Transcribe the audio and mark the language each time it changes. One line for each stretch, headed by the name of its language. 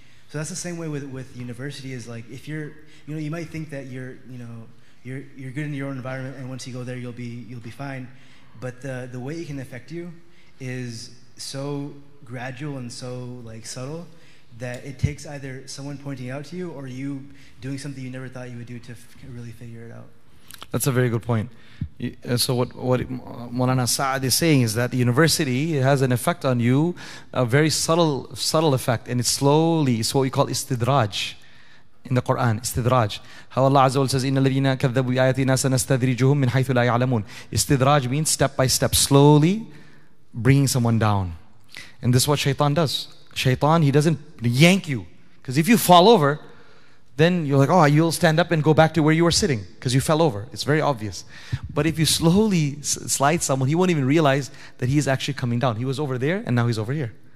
English: So that's the same way with university is like if you're you know you might think that you're you know you're good in your own environment and once you go there you'll be fine, but the way it can affect you is so gradual and so like subtle that it takes either someone pointing out to you or you doing something you never thought you would do to really figure it out. That's a very good point. So what Mawlana Saad is saying is that the university, it has an effect on you, a very subtle effect, and it's slowly, it's what we call istidraj in the Quran, istidraj. How Allah Azza wa Jalla says,
Arabic: إِنَّ الَّذِينَ كَذَّبُوا بِآيَاتِنَا سَنَسْتَدْرِجُهُمْ مِنْ حَيْثُ لَا يَعْلَمُونَ.
English: Istidraj means step by step, slowly bringing someone down. And this is what shaitan does. Shaitan, he doesn't yank you. Because if you fall over, then you're like, oh, you'll stand up and go back to where you were sitting because you fell over. It's very obvious. But if you slowly slide someone, he won't even realize that he is actually coming down. He was over there and now he's over here.